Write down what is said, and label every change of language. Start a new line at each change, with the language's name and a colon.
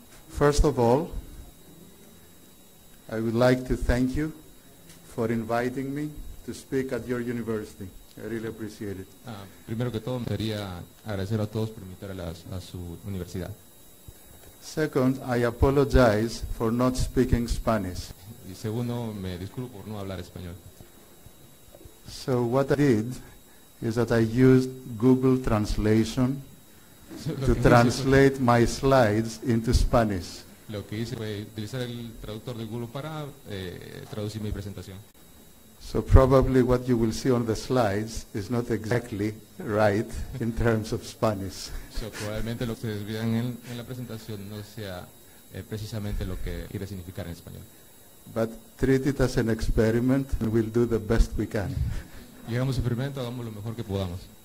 English: First of all, I would like to thank you for inviting me to speak at your university. I really appreciate it.
Spanish: Primero que todo, me gustaría agradecer a todos por invitar a su universidad.
English: Second, I apologize for not speaking Spanish.
Spanish: Y segundo, me disculpo por no hablar español.
English: So what I did is that I used Google Translation to translate my slides into Spanish.
Spanish: Lo que hice fue utilizar el traductor de Google para traducir mi presentación.
English: So probably what you will see on the slides is not exactly right in terms of Spanish.
Spanish: So probablemente lo que ustedes vean en la presentación no sea precisamente lo que quiere significar en español.
English: But treat it as an experiment and we'll do the best we can.
Spanish: Llegamos al experimento, hagamos lo mejor que podamos.